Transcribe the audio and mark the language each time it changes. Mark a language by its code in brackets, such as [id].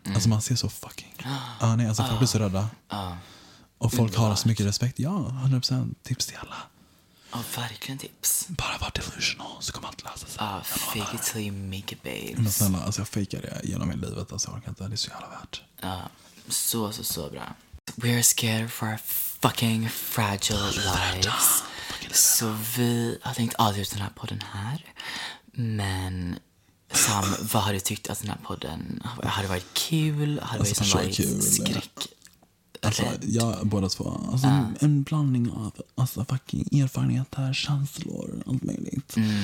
[sv] Alltså man ser så fucking nej, alltså folk blir så rädda. Och folk har så mycket respekt. Ja, 100%. Tips till alla. Ja, verkligen tips. Bara var delusional så kommer allt lösa sig. Ja, [en] fake it till you make it, babes. [sv] Men snälla, alltså jag fejkar det genom min livet. Alltså jag orkar inte, det är så jävla värt. Ja, så bra. [en] We are scared for our fucking fragile lives. [sv] Så vi har tänkt avgjort den här podden här. Men Sam, vad har du tyckt att den här podden har varit kul? Har det alltså, varit kul, skräck? Alltså, jag båda två. Alltså, en blandning av alltså, fucking erfarenheter, känslor, allt möjligt.